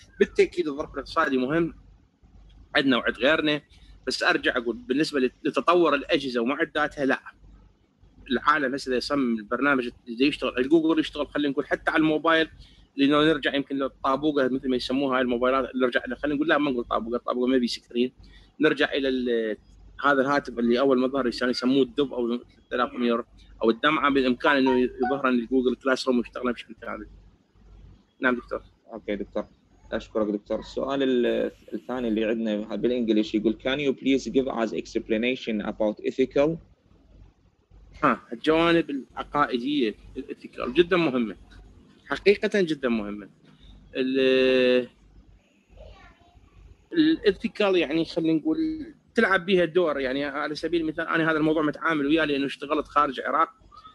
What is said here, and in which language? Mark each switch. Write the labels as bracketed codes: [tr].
[ar] بالتأكيد الظرف الاقتصادي مهم عندنا وعد غيرنا، بس أرجع أقول بالنسبة لتطور الأجهزة ومعداتها لا، العالم هسه يصمم البرنامج اللي يشتغل على جوجل، يشتغل خلينا نقول حتى على الموبايل، لانه نرجع يمكن للطابوقه مثل ما يسموها هاي الموبايلات، نرجع خلينا نقول لا ما نقول طابوقه، الطابوقه ما بي سكرين، نرجع الى هذا الهاتف اللي اول ما ظهر يسموه الدب او 3000 او الدمعه، بالامكان انه يظهر ان جوجل كلاس روم يشتغل بشكل كامل. نعم دكتور. اوكي دكتور اشكرك دكتور. السؤال الثاني اللي عندنا بالانجليش يقول: [en] Can you please give us explanation about ethical [ar] الجوانب العقائدية الإثيكال جدا مهمة، حقيقة جدا مهمة. الإثيكال يعني خلينا نقول تلعب بها دور، يعني على سبيل المثال أنا هذا الموضوع متعامل وياه لأنه اشتغلت خارج العراق.